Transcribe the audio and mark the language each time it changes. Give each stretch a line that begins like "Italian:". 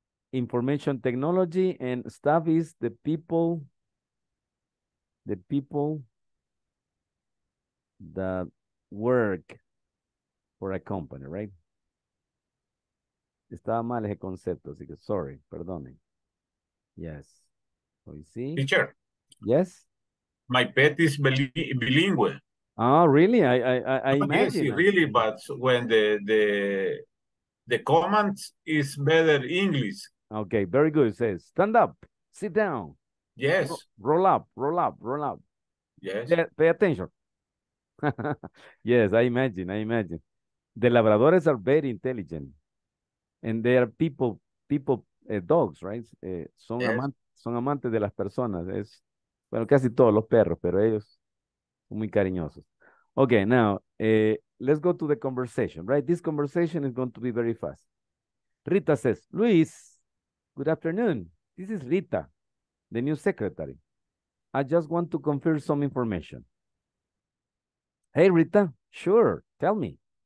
English: Information technology and staff is the people that work for a company, right?
Spanish: Estaba mal ese concepto, así que sorry, perdone. Yes. Hoy sí.
English: Teacher. Yes. My pet is bilingüe. Oh, really? I imagine. Yes, really, but when the commands is better English. Okay, very good. It says stand up, sit down. Yes. Roll up. Yes. Pay attention. Yes, I imagine. The labradores are very intelligent. And they are people, dogs, right?
Spanish: Son amantes de las personas. Bueno, casi todos los perros, pero ellos son muy cariñosos.
English: Okay, now, let's go to the conversation, right? This conversation is going to be very fast. Rita says, Luis, good afternoon. This is Rita, the new secretary. I just want to confirm some information. Hey, Rita, sure, tell me.